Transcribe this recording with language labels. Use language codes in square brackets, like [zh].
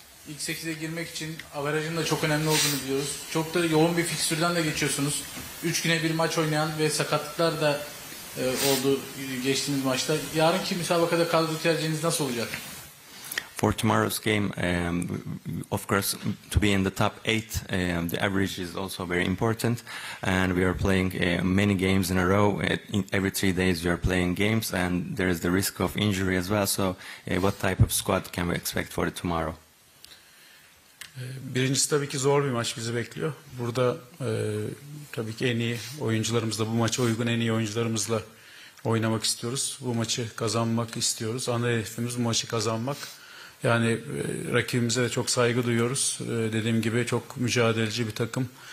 [tr] İlk 8'e girmek için averajın da çok önemli olduğunu biliyoruz. Çok da yoğun bir fikstürden de geçiyorsunuz. 3 güne bir maç oynayan ve sakatlıklar da oldu geçtiğimiz maçta. Yarınki müsabakada kadro tercihiniz nasıl olacak? [en] For tomorrow's game, of course, to be in the top 8, the average is also very important. And we are playing many games in a row. Every 3 days we are playing games and there is the risk of injury as well. So what type of squad can we expect for tomorrow? [tr] Birincisi tabii ki zor bir maç bizi bekliyor. Burada tabii ki en iyi oyuncularımızla, bu maça uygun en iyi oyuncularımızla oynamak istiyoruz. Bu maçı kazanmak istiyoruz. Ana hedefimiz bu maçı kazanmak. Yani rakibimize de çok saygı duyuyoruz. Dediğim gibi çok mücadeleci bir takım.